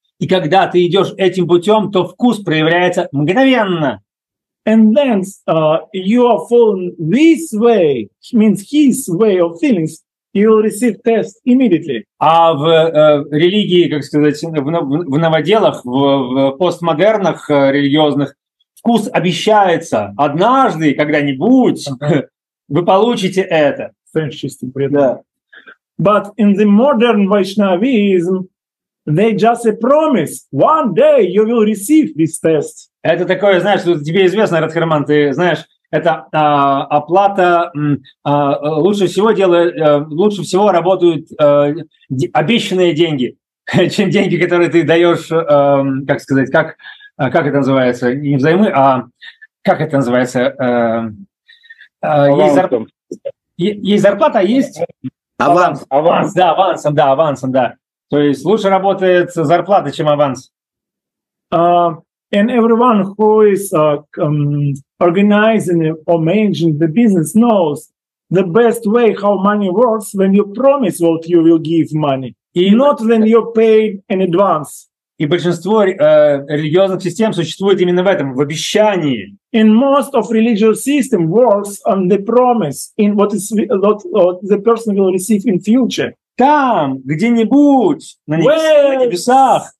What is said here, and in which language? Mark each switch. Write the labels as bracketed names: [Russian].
[Russian] И когда ты идешь этим путем, то вкус проявляется мгновенно. [English] And then you are following this way, means his way of feelings, you will receive test immediately. [Russian] А в религии, как сказать, в новоделах, в постмодернах религиозных, вкус обещается. Однажды, когда-нибудь, вы получите это. Сэнс чистый бред. [English] But in the modern Vaishnavism, they just a promise. One day you will receive this test. [Russian] Это такое, знаешь, тебе известно, Радхарман, ты знаешь, это оплата, лучше всего делают, лучше всего работают обещанные деньги, чем деньги, которые ты даешь, как сказать, как это называется, не взаймы, а как это называется? Есть зарплата, есть? Аванс. Аванс, да, авансом, да, авансом, да. То есть лучше работает зарплата, чем аванс. [English] And everyone who is organizing or managing the business knows the best way how money works when you promise what you will give money, и not when you pay in advance. [Russian] И большинство религиозных систем существует именно в этом, в обещании. [English] In most of religious system works on the promise in what is what the person will receive in future. [Russian] Там, где-нибудь, на небесах.